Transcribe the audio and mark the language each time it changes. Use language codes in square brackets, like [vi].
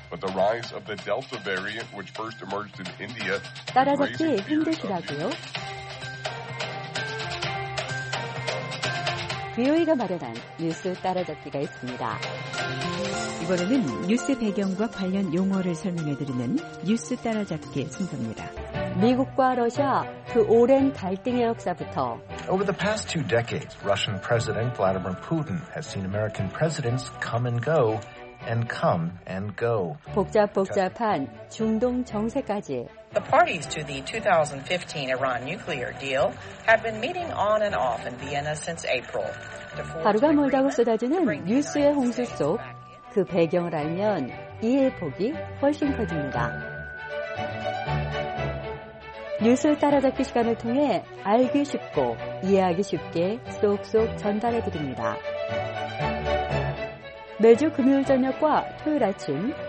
[en] But the rise of the Delta variant, which first emerged in India, [ko] 따라잡기 힘드시다고요? 비오이가 마련한 뉴스 따라잡기가 있습니다. 이번에는 뉴스 배경과 관련 용어를 설명해 드리는 뉴스 따라잡기 순서입니다. 미국과 러시아 그 오랜 갈등의 역사부터 [en] Over the past two decades, Russian President Vladimir Putin has seen American presidents come and go and come and go. [ko] 복잡복잡한 중동 정세까지 [en] The parties to the 2015 Iran nuclear deal have been meeting on and off in Vienna since April. [ko] 하루가 멀다고 쏟아지는 뉴스의 홍수 속 그 배경을 알면 이해 폭이 훨씬 커집니다. 뉴스를 따라잡기 시간을 통해 알기 쉽고 이해하기 쉽게 쏙쏙 전달해드립니다. 매주 금요일 저녁과 토요일 아침